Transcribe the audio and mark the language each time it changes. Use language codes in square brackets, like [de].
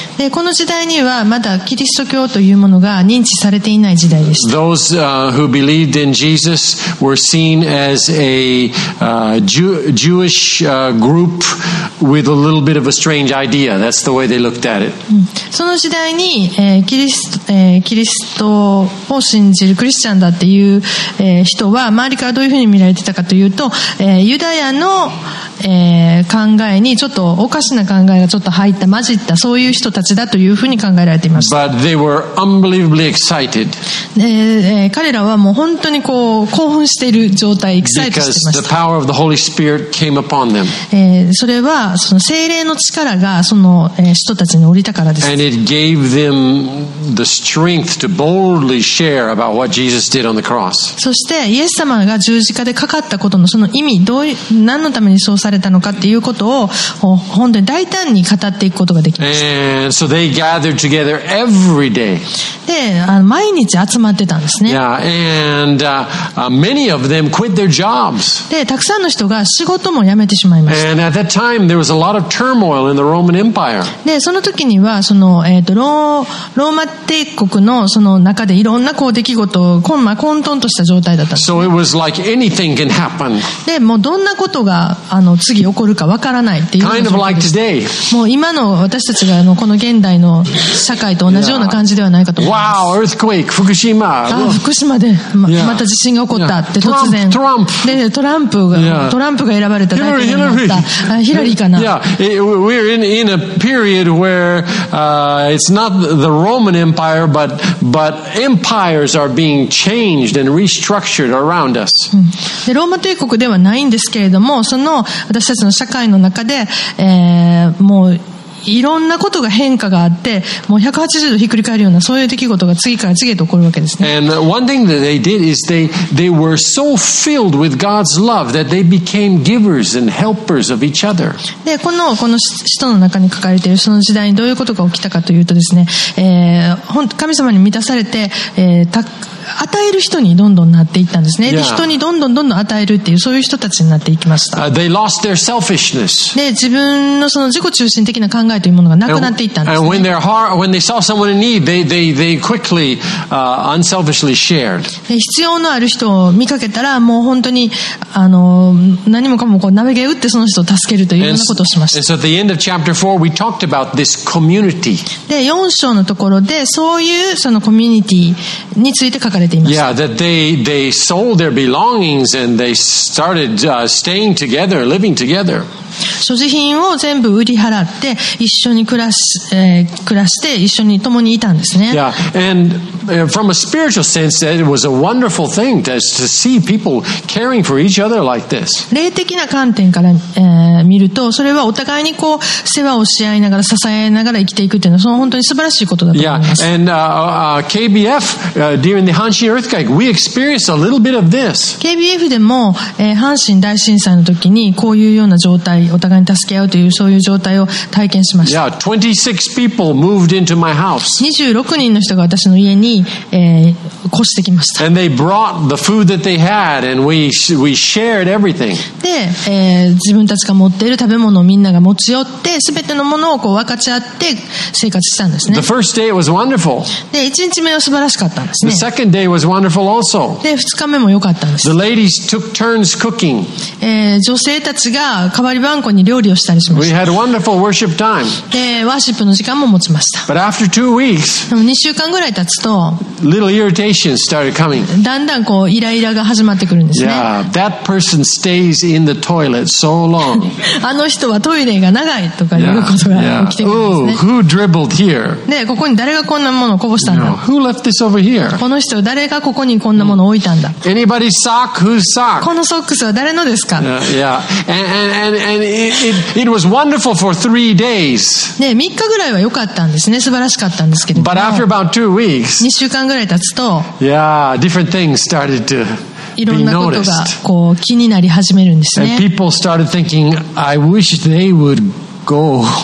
[ja] で、この時代にはまだキリスト教というものが認知されていない時代でした。 [en] Those who believed in Jesus were seen as a Jewish group with a little bit of a strange idea. That's the way they looked at it. [ja] その時代に、キリストを信じるクリスチャンだっていう、人は周りからどういうふうに見られてたかというと、ユダヤの、考えにちょっとおかしな考えがちょっと入った混じったそういう人たちだというふうに考えられていました。 [en] But they were unbelievably excited. [ja] 彼らはもう本当にこう興奮している状態、excited してました。 [en] Because the power of the Holy Spirit came upon them. [ja] それはその聖霊の力がその、人たちに降りたからです。 [en] And it gave them the strength to boldly share about what Jesus did on the cross. [ja] そしてイエス様が十字架でかかったことのその意味、どう何のためにそうされたのかっていうことを本当に大胆に語っていくことができました。 [en] And so they gathered together every day. [ja] で、毎日集まってたんですね。 [en] Yeah, and many of them quit their jobs. [ja] で、たくさんの人が仕事も辞めてしまいました。 [en] And at that time, there was a lot of turmoil in the Roman Empire. [ja] で、その時にはその、ローマ帝国のその中でいろんなこう出来事、混沌とした状態だったんです、 [en] ね。So it was like anything can happen. [ja] で、もうどんなことが次起こるかわからないっていう状況です。 [en] Kind of like today. [ja] もう今の私たちがこの現代の社会と同じような感じではないかと思います。 [en] Yeah. Wow, earthquake, 福島。 [ja] 福島で また地震が起こったって突然。 [en] Trump. [ja] で、トランプが選ばれた大統領になった。ヒラリーかな。 [en] Yeah, we're in a period where it's not the Roman Empire, but empires are being changed and restructured around us. [ja] で、ローマ帝国ではないんですけれども、その私たちの社会の中で、もういろんなことが変化があって、もう180度ひっくり返るようなそういう出来事が次から次へと起こるわけですね。 [en] And one thing that they did is they were so filled with God's love that they became givers and helpers of each other. [ja] で、この使徒の中に書かれているその時代にどういうことが起きたかというとですね、神様に満たされて、与える人にどんどんなっていったんですね。 [en] Yeah. [ja] 人にどんどんどんどん与えるっていうそういう人たちになっていきました。 [en] They lost their selfishness. [ja] で、自分のその自己中心的な考えというものがなくなっていったんですね。 [en] And when their heart, when they saw someone in need, they quickly, unselfishly shared. [ja] で、必要のある人を見かけたら、もう本当に何もかもこう投げ打ってその人を助けるというようなことをしました。 [en] And so at the end of chapter 4, we talked about this community. [ja] で、4章のところでそういうそのコミュニティについて書かれていました。 [en] Yeah, that they sold their belongings and they started staying together, living together. [ja] 所持品を全部売り払って一緒に暮らして一緒に共にいたんですね。 [en] Yeah, and from a spiritual sense, that it was a wonderful thing to see people caring for each other like this. [ja] 霊的な観点から、見ると、それはお互いにこう世話をし合いながら支え合いながら生きていくっていうのは、その本当に素晴らしいことだと思います。 [en] Yeah, and KBF during the Hanshin earthquake, we experienced a little bit of this. [ja] KBF でも、阪神大震災の時にこういうような状態、お互いに助け合うというそういう状態を体験しました。 [en] Yeah, 26 people moved into my house. [ja] 26人の人が私の家に、越してきました。 [en] And they brought the food that they had, and we shared everything. [ja] で、自分たちが持っている食べ物をみんなが持ち寄って、すべてのものをこう分かち合って生活したんですね。 [en] The first day was wonderful. [ja] で、1日目は素晴らしかったんですね。 [en] The second day was wonderful also. [ja] で、2日目も良かったんです。 [en] The ladies took turns cooking. [ja] 女性たちが代わり番号に料理をしたりしました。 [en] We had a wonderful worship time. [ja] で、ワーシップの時間も持ちました。 [en] But after 2 weeks, [ja] 2週間ぐらい経つと、 [en] little irritation started coming. [ja] だんだんこうイライラが始まってくるんですね。 [en] Yeah, that person stays in the toilet so long. [ja] あの人はトイレが長いとかいうことが起きてくるんですね。 [en] Yeah, yeah. Ooh, who dribbled here? [ja] で、ここに誰がこんなものをこぼしたんだ。 [en] No, who left this over here? [ja] この人は誰がここにこんなものを置いたんだ。 [en] Anybody's sock? Whose sock? [ja] このソックスは誰のですか。 [en] And it was wonderful for 3 days. [ja] ね、3日ぐらいは良かったんですね。素晴らしかったんですけど。 [en] But after about 2 weeks, [ja] 2週間ぐらい経つと、 [en] yeah, different things started to be noticed. [ja] いろんなことがこう気になり始めるんですね。 [en] And people started thinking, I wish they would go.